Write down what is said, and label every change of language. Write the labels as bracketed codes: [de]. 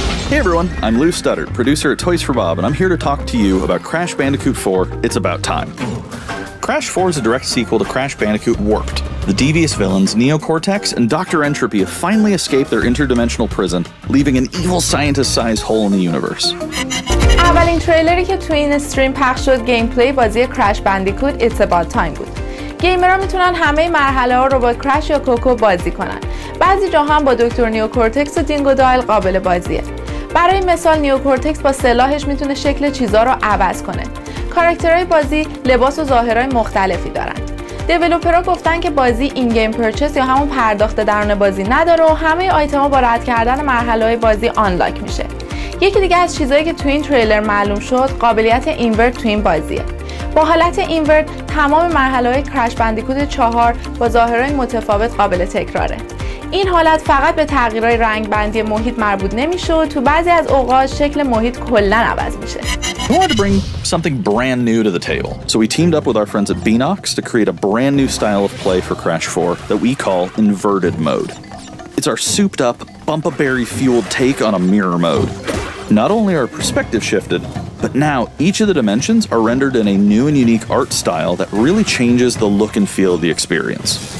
[en] Hey everyone, I'm Lou Studdard, producer at Toys for Bob, and I'm here to talk to you about Crash Bandicoot 4. It's about time. Crash 4 is a direct sequel to Crash Bandicoot Warped. The devious villains Neo Cortex and Dr. Entropy have finally escaped their interdimensional prison, leaving an evil scientist-sized hole in the universe. [fa] اولین تریلری که توی این استریم پخش شد گیمپلی بازی Crash Bandicoot It's About Time بود. گیمرها میتونن همه مرحله ها رو با Crash یا Coco بازی کنن. بعضی جاها هم با دکتر نیو کورتکس و دینگو دایل قابل بازیه. برای مثال نیو کورتکس با سلاحش میتونه شکل چیزا رو عوض کنه. کاراکترهای بازی لباس و ظاهرهای مختلفی دارن. دیولوپرها گفتن که بازی این گیم پرچس یا همون پرداخت درون بازی نداره و همه آیتما با رد کردن مرحله‌های بازی آنلاک میشه. یکی دیگه از چیزایی که تو این تریلر معلوم شد قابلیت اینورت تو این بازیه. با حالت اینورت تمام مرحله‌های کرش بندیکوت 4 با ظاهرهای متفاوت قابل تکراره. این حالت فقط به تغییرهای رنگ بندی محیط مربوط نمیشد، تو بعضی از اوقات شکل محیط کلا عوض میشه. [en] We wanted to bring something brand new to the table, so we teamed up with our friends at Beenox to create a brand new style of play for Crash 4 that we call Inverted Mode. It's our souped-up, bump-a-berry-fueled take on a mirror mode. Not only are perspective shifted, but now each of the dimensions are rendered in a new and unique art style that really changes the look and feel of the experience.